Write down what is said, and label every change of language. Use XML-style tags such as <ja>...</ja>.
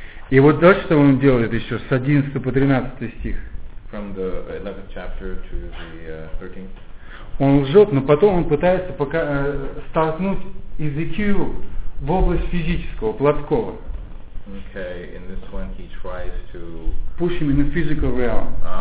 <ru>И вот дальше что он делает еще с 11 по 13 стих.</ru> <en>From the 11th chapter to the 13th.</en> <ru>Он лжет, но потом он пытается пока столкнуть Иезекию в область физического, плоского.</ru> <en>Okay, in this one he tries to push him in the physical realm.</en>